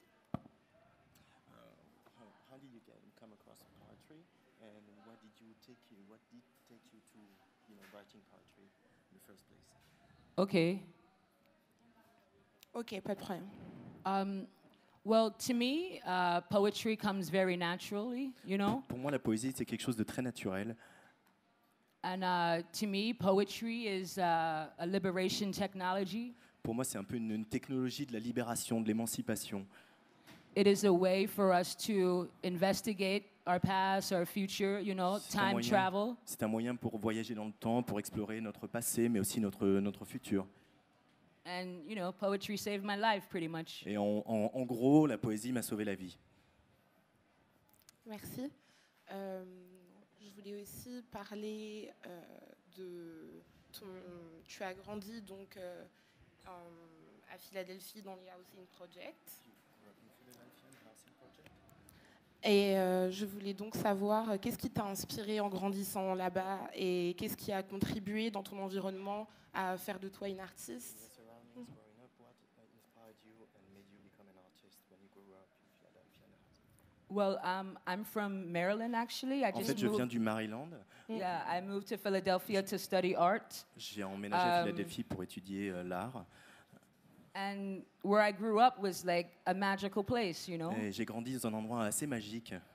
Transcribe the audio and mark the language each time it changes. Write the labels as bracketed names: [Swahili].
[English] How did you come across poetry, and what did you take you? What did take you to, you know, writing poetry in the first place? Okay, [French] pas de problème. [English] Well, to me, poetry comes very naturally, you know. [French] Pour moi, la poésie c'est quelque chose de très naturel. [English] And to me, poetry is a liberation technology. [French] Pour moi, c'est un peu une technologie de la libération, de l'émancipation. [English] It is a way for us to investigate our past, our future, you know, time travel. [French] C'est un moyen pour voyager dans le temps, pour explorer notre passé, mais aussi notre futur. [English] And you know, poetry saved my life pretty much. [French] Et en gros, la poésie m'a sauvé la vie. Merci. Je voulais aussi parler de tu as grandi donc à Philadelphie dans les housing projects. Et je voulais donc savoir qu'est-ce qui t'a inspiré en grandissant là-bas et qu'est-ce qui a contribué dans ton environnement à faire de toi une artiste. [English] Well, I'm from Maryland actually. I just [French] je viens du Maryland. [English] Yeah, I moved to Philadelphia to study art. [French] J'ai emménagé à Philadelphie pour étudier l'art. [English] And where I grew up was like a magical place, you know. [French] Et j'ai grandi dans un endroit assez magique.